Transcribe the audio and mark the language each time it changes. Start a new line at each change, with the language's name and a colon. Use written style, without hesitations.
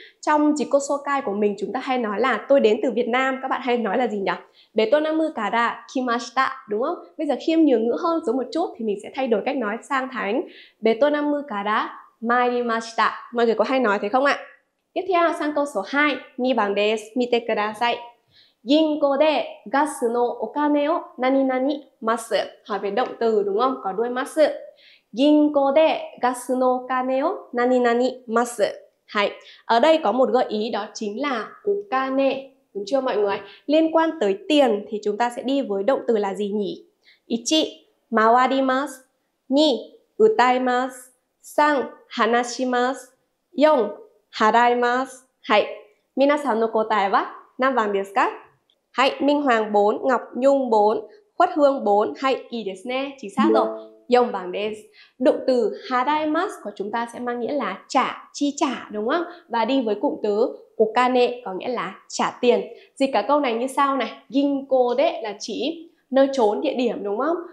Vietnamese: Trong jikosokai của mình chúng ta hay nói là tôi đến từ Việt Nam, các bạn hay nói là gì nhỉ?
Japanese: Betonamu kara kimashita,
Vietnamese: đúng không? Bây giờ khiêm nhường ngữ hơn giống một chút thì mình sẽ thay đổi cách nói sang thành
Japanese: Betonamu kara maerimashita.
Vietnamese: Mọi người có hay nói thế không ạ? Tiếp theo sang câu số 2,
Japanese: nibang desu, mite kudasai. 銀行でガスのお金を何々ます。
Vietnamese: hỏi về động từ đúng không? Có đuôi ます。
Japanese: 銀行でガスのお金を何々ます。はい。
Vietnamese: ở đây có một gợi ý đó chính là お金đúng chưa mọi người? Liên quan tới tiền thì chúng ta sẽ đi với động từ là gì nhỉ?
Japanese: 1. 回ります。2. 歌います。3. 話します。4. 払います。はい。皆さんの答えは5番ですか? はい、Minh Hoàng 4, Ngọc Nhung 4, Khuất Hương 4, はい、いいですね。
Vietnamese: chính xác rồi.
Japanese: 4番です。
Vietnamese: Động từ harimas của chúng ta sẽ mang nghĩa là trả, chi trả, đúng không? Và đi với cụm từ okane có nghĩa là trả tiền. Dịch cả câu này như sau này.
Japanese: Ginko de
Vietnamese: là chỉ nơi trốn địa điểm, đúng không?